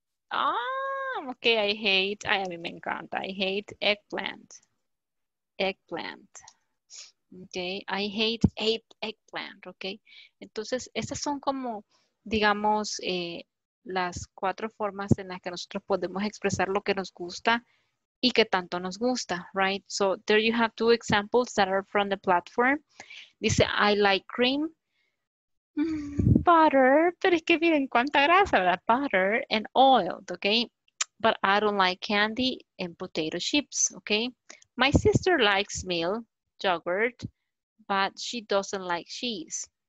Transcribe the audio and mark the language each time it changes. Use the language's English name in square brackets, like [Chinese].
[English] Ah, ok, I hate. Ay, [Spanish] a mí me encanta. [English] I hate eggplant. Eggplant. Okay, I hate eggplant. [Spanish] Okay, entonces estas son como, digamos, las cuatro formas en las que nosotros podemos expresar lo que nos gusta y que tanto nos gusta, right? [English] So there you have two examples that are from the platform. [Spanish] Dice, [English] I like cream, butter, [Spanish] pero es que miren cuánta grasa, ¿verdad? [English] Butter and oil, okay? But I don't like candy and potato chips, okay? My sister likes milk, yogurt, but she doesn't like cheese.